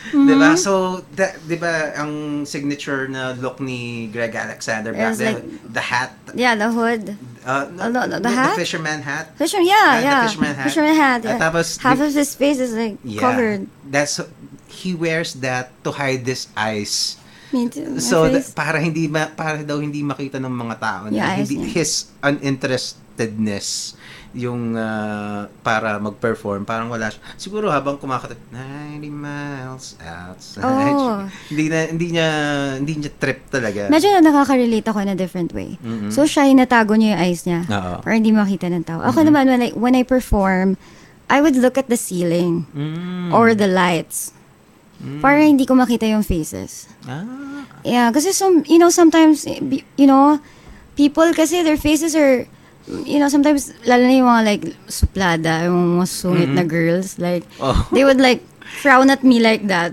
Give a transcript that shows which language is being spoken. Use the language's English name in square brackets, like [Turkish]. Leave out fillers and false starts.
[Filipino] Mm-hmm. Diba? So, diba, ang signature na look ni Greg Alexander, [English] back then, like, the hat. Yeah, the hood. The hat? The fisherman hat. Fisherman hat. Tapos, half of his face is like covered. That's, he wears that to hide his eyes. Me too. [Filipino] So para daw hindi makita ng mga tao na [English] his uninterestedness [Filipino] yung para mag-perform, parang wala siya. Siguro habang kumakatok 90 miles outside. Oh. hindi niya trip talaga. Medyo nakaka-relate ako [English] in a different way. Mm-hmm. [Filipino] So shy, natago niya yung eyes niya. Uh-oh. Para hindi makita ng tao. Ako mm-hmm. [English] naman when I perform, I would look at the ceiling or the lights. [Filipino] Para hindi ko makita yung faces. Ah. [English] Yeah, kasi sometimes, you know, people kasi their faces are, you know, sometimes, [Filipino] lalo na yung mga like suplada, yung mga sumit na girls, [English] like, they would like frown at me like that.